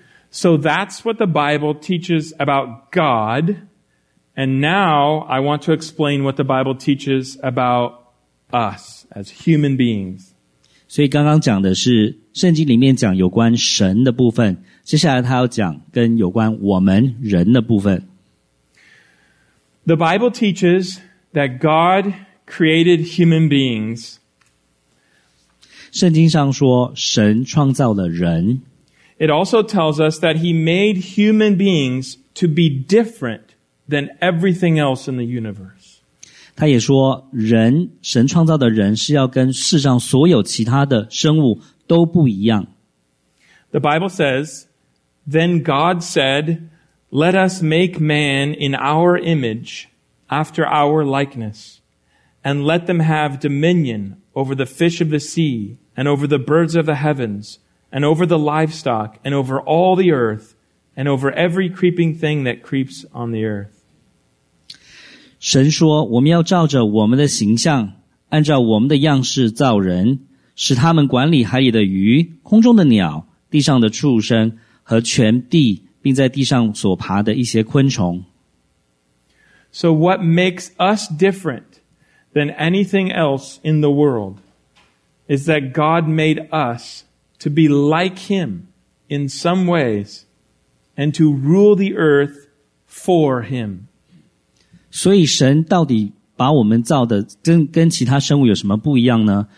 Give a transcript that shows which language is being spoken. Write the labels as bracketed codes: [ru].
[en] So that's what the Bible teaches about God, and now I want to explain what the Bible teaches about us as human beings. [zh] 所以刚刚讲的是圣经里面讲有关神的部分，接下来他要讲跟有关我们人的部分。 [en] The Bible teaches that God created human beings. [zh] 圣经上说神创造了人。 [en] It also tells us that He made human beings to be different than everything else in the universe. [zh] 他也说人，神创造的人是要跟世上所有其他的生物都不一样。 [en] The Bible says, Then God said, Let us make man in our image, after our likeness, and let them have dominion over the fish of the sea, and over the birds of the heavens, and over the livestock, and over all the earth, and over every creeping thing that creeps on the earth. [zh] 神说，我们要照着我们的形象，按照我们的样式造人，使他们管理海里的鱼，空中的鸟，地上的畜生，和全地，并在地上所爬的一些昆虫。 [en] So what makes us different than anything else in the world is that God made us to be like Him in some ways and to rule the earth for Him. [zh] 所以神到底把我们造的跟其他生物有什么不一样呢？